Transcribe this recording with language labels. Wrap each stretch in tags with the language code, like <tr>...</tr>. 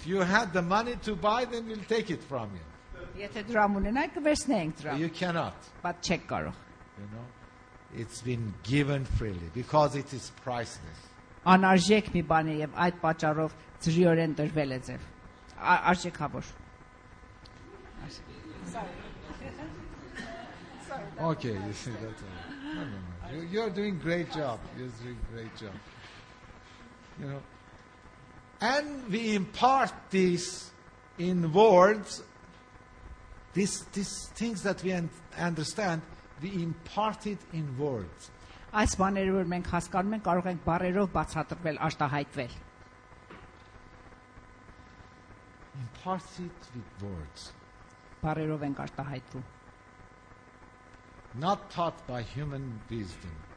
<en>If you had the money to buy them, we'll take it from you.</en> <hy>Եթե դրամ ունենայիք, վերցնեինք դրամ։</hy> <en>You cannot.</en> <hy>Բայց չեք կարող։</hy> <en>You know, it's been given freely because it is priceless.</en> <hy>Անարժեք մի բան է եւ այդ պատճառով ծրիորեն տրվել է ձեր։ Արժեքավոր։</hy> <en>Okay, you see that. No. You're doing great job. You're doing great job. You know. And we impart this in words, these things that we understand, we impart it in words.</en> <hy>Այս բաները, որ մենք հասկանում ենք, կարող ենք բարերով բացատրվել, արտահայտվել.</hy> <en>Impart it with words.</en> <hy>Բարերով ենք արտահայտում.</hy> <en>Not taught by human wisdom.</en>